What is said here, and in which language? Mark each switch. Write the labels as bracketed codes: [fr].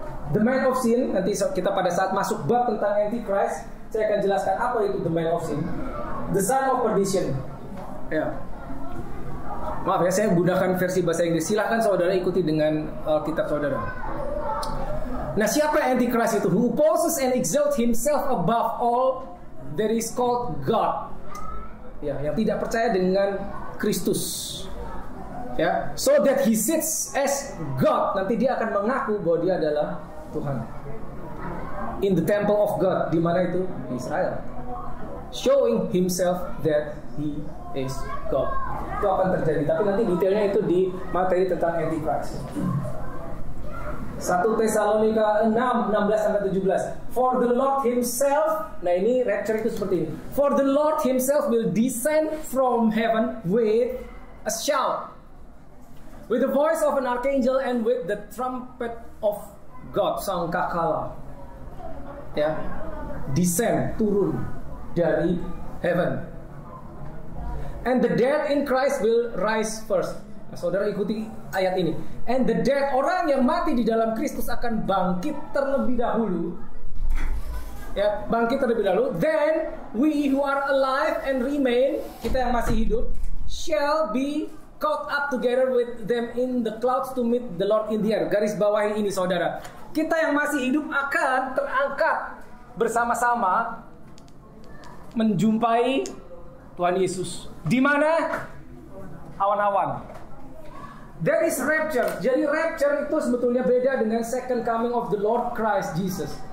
[en] The man of sin, [id] nanti kita pada saat masuk bab tentang antichrist, saya akan jelaskan apa itu [en] the man of sin, the son of perdition. [id] Ya. Maaf ya, saya gunakan versi bahasa Inggris. Silakan saudara ikuti dengan kitab saudara. Nah, siapa antichrist itu? [en] Who opposes and exalts himself above all that is called God. [id] Ya, yang tidak percaya dengan Kristus. Ya, [en] so that he sits as God. [id] Nanti dia akan mengaku bahwa dia adalah Tuhan. [en] In the temple of God, [id] di mana itu? [en] Israel. Showing himself that he is God. [id] Itu akan terjadi, tapi nanti detailnya itu di materi tentang antichrist. 1 Tesalonika 6, 16-17. [en] For the Lord himself, [id] nah ini rapture itu seperti ini. [en] For the Lord himself will descend from heaven with a shout, with the voice of an archangel, and with the trumpet of God. [id] Sangkakala. Ya. Descend, turun dari heaven. [en] And the dead in Christ will rise first. [id] Nah, saudara ikuti ayat ini. [en] And the dead, [id] orang yang mati di dalam Kristus akan bangkit terlebih dahulu. Ya, bangkit terlebih dahulu. [en] Then we who are alive and remain, [id] kita yang masih hidup, [en] shall be caught up together with them in the clouds to meet the Lord in the air. [id] Garis bawahi ini saudara. Kita yang masih hidup akan terangkat bersama-sama menjumpai Tuhan Yesus. Di mana? Awan-awan. [en] There is rapture. [id] Jadi rapture itu sebetulnya beda dengan [en] second coming of the Lord Christ Jesus.